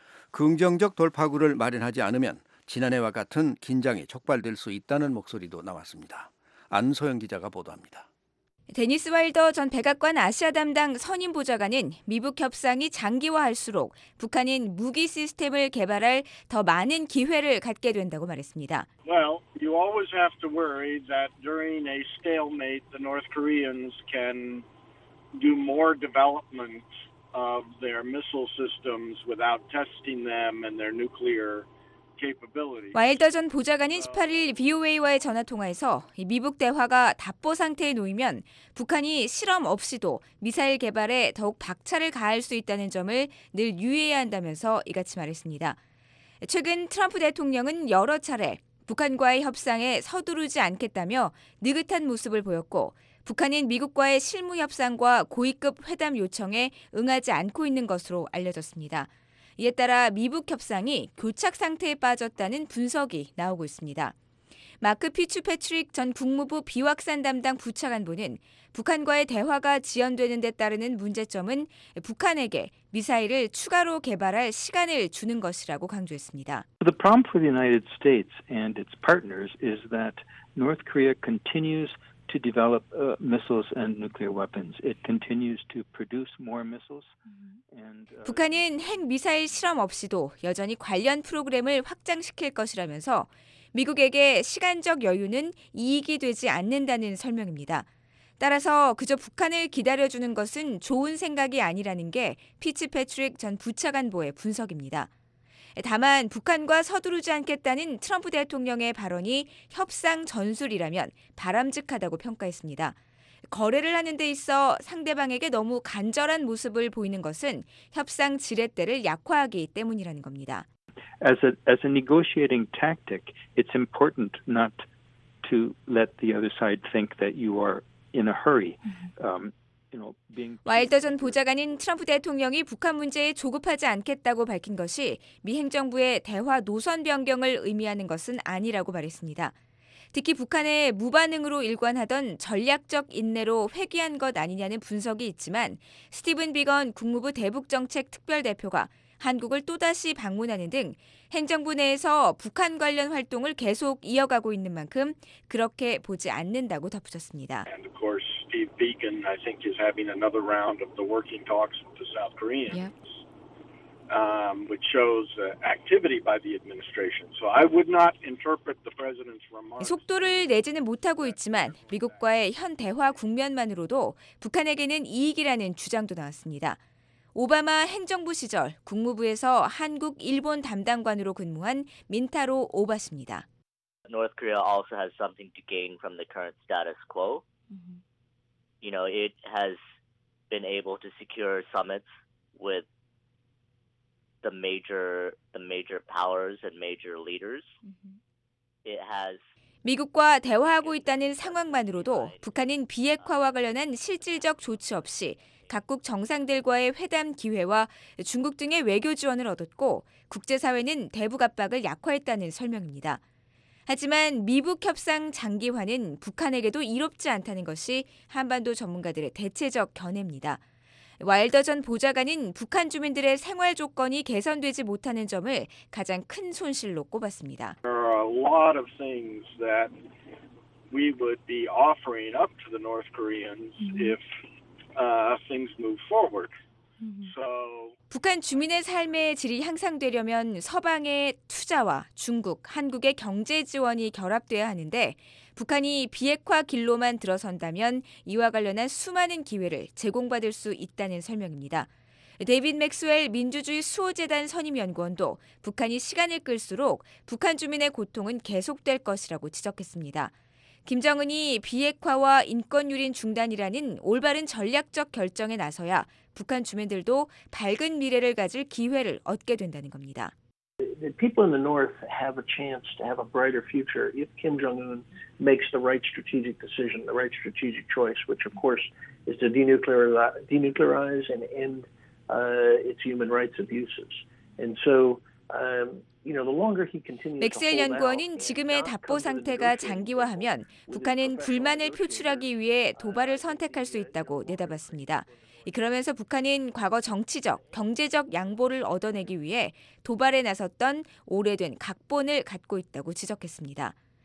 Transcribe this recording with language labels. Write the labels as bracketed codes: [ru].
[ko] 긍정적 돌파구를 마련하지 않으면 지난해와 같은 긴장이 촉발될 수 있다는 목소리도 나왔습니다. 안소영 기자가 보도합니다. 데니스 와일더 전 백악관 아시아 담당 선임 보좌관은 미북 협상이 장기화할수록 북한은 무기 시스템을 개발할 더 많은 기회를 갖게 된다고 말했습니다. [en] Well, you always have to worry that during a stalemate, the North Koreans can do more development of their missile systems without testing them and their nuclear. [ko] 와일더 전 보좌관은 18일 VOA와의 전화통화에서 미북 대화가 답보 상태에 놓이면 북한이 실험 없이도 미사일 개발에 더욱 박차를 가할 수 있다는 점을 늘 유의해야 한다면서 이같이 말했습니다. 최근 트럼프 대통령은 여러 차례 북한과의 협상에 서두르지 않겠다며 느긋한 모습을 보였고 북한은 미국과의 실무 협상과 고위급 회담 요청에 응하지 않고 있는 것으로 알려졌습니다. 이에 따라 미북 협상이 교착 상태에 빠졌다는 분석이 나오고 있습니다. 마크 피츠 패트릭 전 국무부 비확산 담당 부차관보는 북한과의 대화가 지연되는 데 따르는 문제점은 북한에게 미사일을 추가로 개발할 시간을 주는 것이라고 강조했습니다. [en] The problem for the United States and its partners is that North Korea continues to develop missiles and nuclear weapons. It continues to produce more missiles. [ko] 북한은 핵미사일 실험 없이도 여전히 관련 프로그램을 확장시킬 것이라면서 미국에게 시간적 여유는 이익이 되지 않는다는 설명입니다. 따라서 그저 북한을 기다려주는 것은 좋은 생각이 아니라는 게 피츠패트릭 전 부차관보의 분석입니다. 다만 북한과 서두르지 않겠다는 트럼프 대통령의 발언이 협상 전술이라면 바람직하다고 평가했습니다. 거래를 하는 데 있어 상대방에게 너무 간절한 모습을 보이는 것은 협상 지렛대를 약화하기 때문이라는 겁니다. [en] As a negotiating tactic, it's important not to let the other side think that you are in a hurry. [ko] 와일더 전 보좌관인 트럼프 대통령이 북한 문제에 조급하지 않겠다고 밝힌 것이 미 행정부의 대화 노선 변경을 의미하는 것은 아니라고 말했습니다. 특히 북한의 무반응으로 일관하던 전략적 인내로 회귀한 것 아니냐는 분석이 있지만 스티븐 비건 국무부 대북정책특별대표가 한국을 또다시 방문하는 등 행정부 내에서 북한 관련 활동을 계속 이어가고 있는 만큼 그렇게 보지 않는다고 덧붙였습니다. [en] And of course, Steve Beacon, I think, is having another round of the working talks with the South Koreans, which shows activity by the administration. So I would not interpret the president's remarks. [ko] 속도를 내지는 못하고 있지만 미국과의 현 대화 국면만으로도 북한에게는 이익이라는 주장도 나왔습니다. 오바마 행정부 시절 국무부에서 한국 일본 담당관으로 근무한 민타로 오바시입니다. [en] North Korea also has something to gain from the current status quo. You know, it has been able to secure summits with the major powers and major leaders. It has [ko] 미국과 대화하고 있다는 상황만으로도 북한은 비핵화와 관련한 실질적 조치 없이 각국 정상들과의 회담 기회와 중국 등의 외교 지원을 얻었고 국제사회는 대북 압박을 약화했다는 설명입니다. 하지만 미북 협상 장기화는 북한에게도 이롭지 않다는 것이 한반도 전문가들의 대체적 견해입니다. 와일더 전 보좌관은 북한 주민들의 생활 조건이 개선되지 못하는 점을 가장 큰 손실로 꼽았습니다. [en] There are a lot of things that we would be offering up to the North Koreans if things move forward. So [ko] 북한 주민의 삶의 질이 향상되려면 서방의 투자와 중국, 한국의 경제 지원이 결합돼야 하는데 북한이 비핵화 길로만 들어선다면 이와 관련한 수많은 기회를 제공받을 수 있다는 설명입니다. 데이빗 맥스웰 민주주의 수호재단 선임연구원도 북한이 시간을 끌수록 북한 주민의 고통은 계속될 것이라고 지적했습니다. 김정은이 비핵화와 인권유린 중단이라는 올바른 전략적 결정에 나서야 북한 주민들도 밝은 미래를 가질 기회를 얻게 된다는 겁니다. [en] The people in the North have a chance to have a brighter future if Kim Jong-un makes the right strategic decision, the right strategic choice, which, of course, is to denuclearize and end its human rights abuses. And so, you know, the longer he continues. [ko] 맥스웰 연구원은 지금의 답보 상태가 장기화하면 북한은 불만을 표출하기 위해 도발을 선택할 수 있다고 내다봤습니다. 그러면서 북한은 과거 정치적, 경제적 양보를 얻어내기 위해 도발에 나섰던 오래된 각본을 갖고 있다고 지적했습니다.